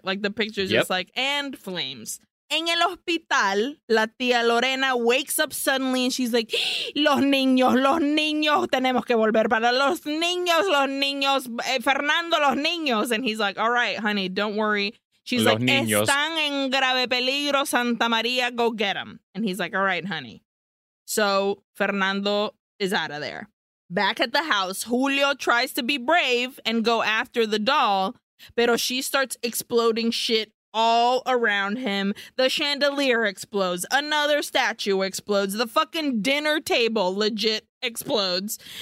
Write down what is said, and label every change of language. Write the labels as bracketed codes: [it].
[en] Like the picture's just like, and flames. [es] En el hospital, [en] la tía Lorena wakes up suddenly and she's like, [es] los niños, tenemos que volver para los niños, Fernando, los niños. [en] And he's like, all right, honey, don't worry. She's [es] Los [en] like, [es] niños. Están en grave peligro, Santa María, [en] go get them. And he's like, all right, honey. So Fernando is out of there. Back at the house, Julio tries to be brave and go after the doll, [es] pero [en] she starts exploding shit all around him. The chandelier explodes. Another statue explodes. The fucking dinner table legit explodes.